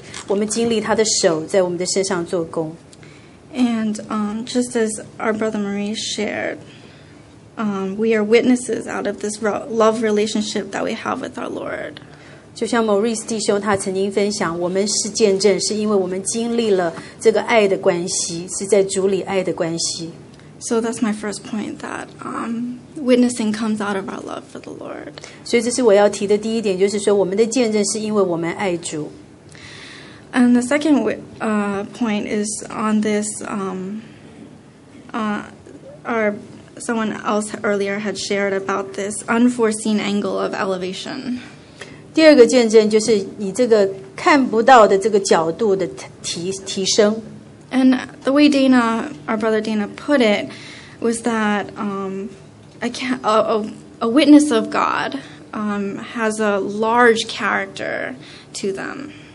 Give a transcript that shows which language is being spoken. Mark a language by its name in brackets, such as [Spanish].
[Chinese] 但是我们是他的见证人，是因为我们看到主在我们身上的作为，我们经历他的手在我们的身上做工。 [English] And just as our brother Marie shared, we are witnesses out of this love relationship that we have with our Lord. [Chinese] 就像Maurice弟兄他曾经分享，我们是见证，是因为我们经历了这个爱的关系，是在主里爱的关系。 [English] So that's my first point, that witnessing comes out of our love for the Lord. [Chinese] 所以这是我要提的第一点, 就是说我们的见证是因为我们爱主。 [English] And the second point is on this, someone else earlier had shared about this unforeseen angle of elevation. [Chinese] 第二个见证就是你这个看不到的这个角度的提升。 [English] And the way Dana, our brother Dana, put it was that a witness of God has a large character to them.